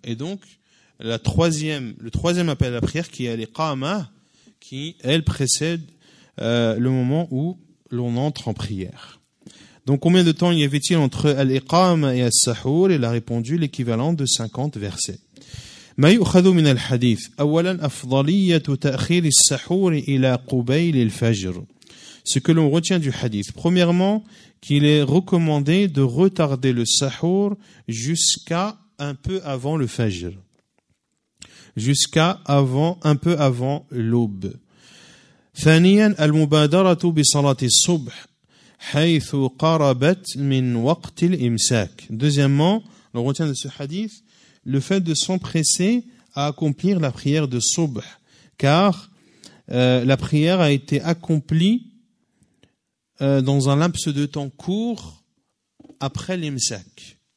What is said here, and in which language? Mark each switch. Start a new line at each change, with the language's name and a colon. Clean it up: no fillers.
French: Et donc, le troisième appel à la prière qui est l'iqama, qui, elle, précède le moment où l'on entre en prière. Donc, combien de temps y avait-il entre l'iqama et al-sahur? Il a répondu l'équivalent de 50 versets.
Arabic: ما يؤخذ من الحديث أولا أفضلية تأخير السحور إلى قبيل الفجر.
French: Ce que l'on retient du hadith. Premièrement, qu'il est recommandé de retarder le sahur jusqu'à un peu avant le fajr. Jusqu'à avant, un peu avant l'aube.
Arabic: ثانيا المبادرة بصلاة الصبح حيث قربت من وقت الإمساك.
French: Deuxièmement, l'on retient de ce hadith le fait de s'empresser à accomplir la prière de Subh, car la prière a été accomplie dans un laps de temps court après l'imsak.